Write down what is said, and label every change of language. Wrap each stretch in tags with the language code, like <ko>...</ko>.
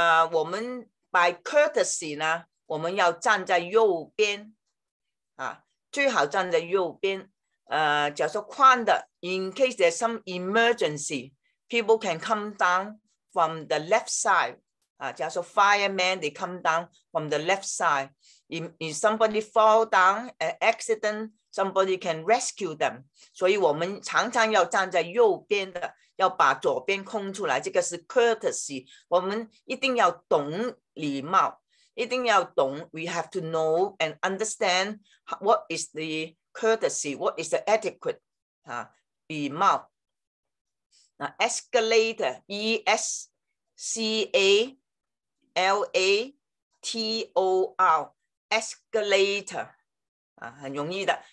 <zh>我们</zh> <en>by courtesy</en> <zh>呢，我们要站在右边，啊，最好站在右边。假如说宽的</zh> <en>，in case there's some emergency, people can come down from the left side. 啊，</en> <zh>假如说</zh> <en>firemen they come down from the left side. If somebody fall down an accident, somebody can rescue them.</en> <zh>所以我们常常要站在右边的。要把左边空出来，这个是 courtesy。我们一定要懂礼貌，一定要懂。</zh> <en>We have to know and understand what is the courtesy, what is the etiquette</en> <zh>啊，礼貌。</zh> <en>那 escalator, E S C A L A T O R, escalator 啊，</en> <zh>很容易的。</zh>